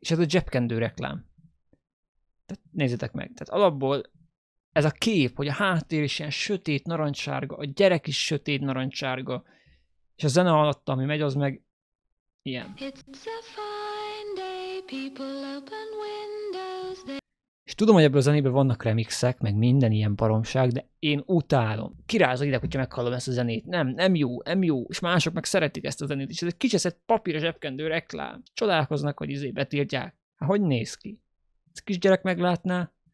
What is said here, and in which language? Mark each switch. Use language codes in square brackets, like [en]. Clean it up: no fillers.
[hu] És ez a zsebkendő reklám. Tehát nézzétek meg. Tehát alapból ez a kép, hogy a háttér is ilyen sötét narancssárga, a gyerek is sötét narancssárga, és a zene alatt, ami megy, az meg ilyen. [en] It's a fine day, people open windows, they... [hu] És tudom, hogy ebből a zenében vannak remixek, meg minden ilyen baromság, de én utálom. Kiráz a ideg, hogyha meghallom ezt a zenét. Nem, nem jó, nem jó. És mások meg szeretik ezt a zenét is. Ez egy kicseszett papír zsebkendő reklám. Csodálkoznak, hogy izé betiltják. Hát hogy néz ki? Ez kisgyerek meglátná?